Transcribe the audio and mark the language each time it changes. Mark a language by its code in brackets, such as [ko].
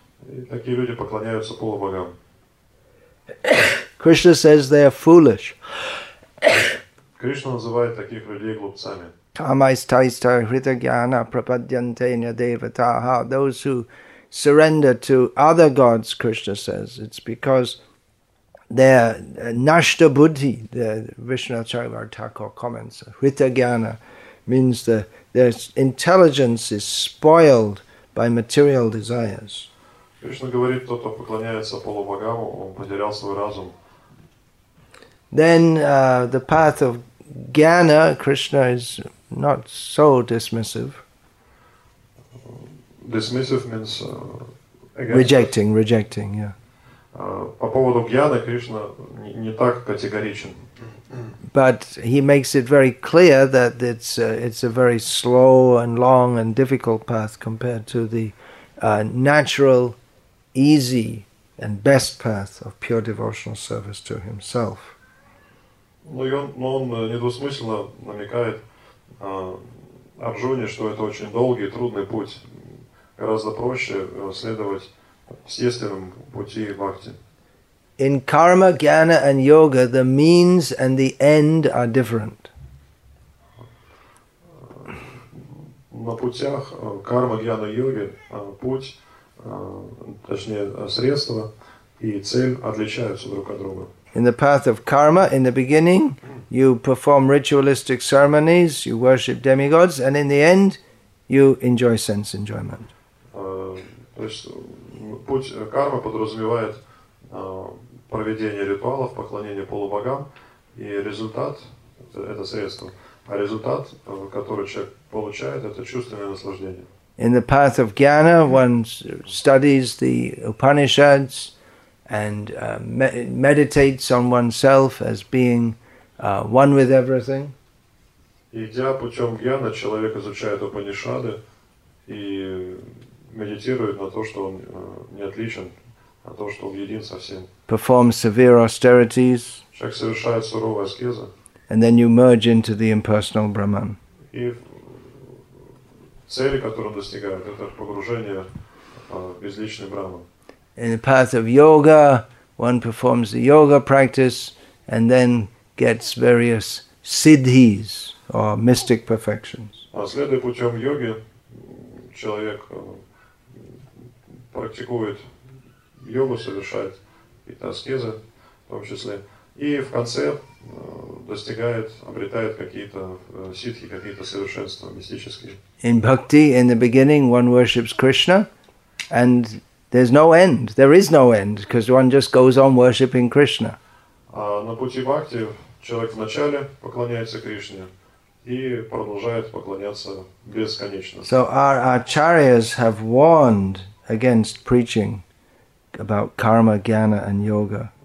[ru] И такие люди поклоняются полубогам. [en] Krishna says they are foolish. [ru] Krishna называет таких людей глупцами. [sa] Tamaistaista hritagyana prapadyantena devataha. [en] Those who surrender to other gods, Krishna says, it's because their nashta buddhi, the Vishnu Acharya Thakur comments, hritagyana means their intelligence is spoiled by material desires. [ru] Krishna говорит, тот, кто поклоняется полубогам, он потерял свой разум. [en] Then the path of jnana, Krishna is not so dismissive. Dismissive means rejecting, yeah. [ru] По поводу jnana Krishna не так категоричен. [en] But he makes it very clear that it's a very slow and long and difficult path compared to the natural, easy and best path of pure devotional service to himself. [ru] Но он недвусмысленно намекает Арджуне, что это очень долгий и трудный путь. Гораздо проще следовать естественному пути бхакти. [en] In karma, jnana and yoga, the means and the end are different. [ru] На путях карма, джняна, йоги путь, точнее средства и цель отличаются друг от друга. [en] In the path of karma, in the beginning, you perform ritualistic ceremonies, you worship demigods, and in the end, you enjoy sense enjoyment. [ru] То есть путь кармы подразумевает проведение ритуалов, поклонение полубогам, и результат – это средство. А результат, который человек получает, это чувственное наслаждение. [en] In the path of jnana, one studies the Upanishads, and meditates on oneself as being one with everything. [ru] Идя путем джняна, человек изучает Упанишады и медитирует на то, что он не отличен, а то, что он един со всем. [en] Performs severe austerities. [ru] Человек совершает суровые аскезы. [en] And then you merge into the impersonal Brahman. [ru] И цели, которые он достигает, это погружение в безличный Брахман. [en] In the path of yoga, one performs the yoga practice and then gets various siddhis or mystic perfections. [ru] Следуя путем йоги, человек практикует йогу, совершает какие-то аскезы, в том числе, и в конце достигает, обретает какие-то сиддхи, какие-то совершенства мистические. [en] In bhakti, in the beginning, one worships Krishna and there's no end. There is no end because one just goes on worshipping Krishna. [ru] На пути бхакти человек вначале поклоняется Кришне и продолжает поклоняться бесконечно. [en] So our acharyas have warned against preaching about karma, jnana and yoga.